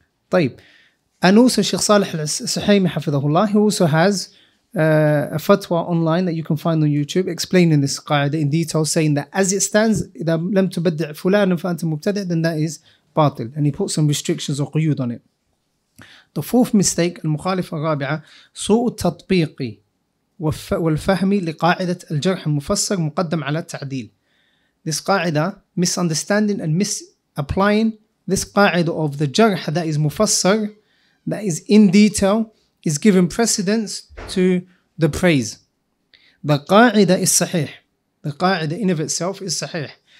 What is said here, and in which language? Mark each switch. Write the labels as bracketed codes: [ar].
[ar] طيب. [en] And also Sheikh Saleh Al-Suhaymi Hafidhahullah, he also has a fatwa online that you can find on YouTube explaining this qaida in detail, saying that as it stands, [ar] إِذَا لَمْ تُبَدِّعْ فُلَانًا فَأَنْتَ مُبْتَدِعْ, [en] then that is batil. And he put some restrictions or quyood on it. The fourth mistake, [ar] المخالفة الرابعة, سوء التطبيق والفهم لقاعدة الجرح المفسر مقدم على التعديل. [en] This qaida, misunderstanding and misapplying this qaida of the jarh that is mufassar, that is in detail, is given precedence to the praise. The qa'idah is sahih. The qa'idah in of itself is sahih.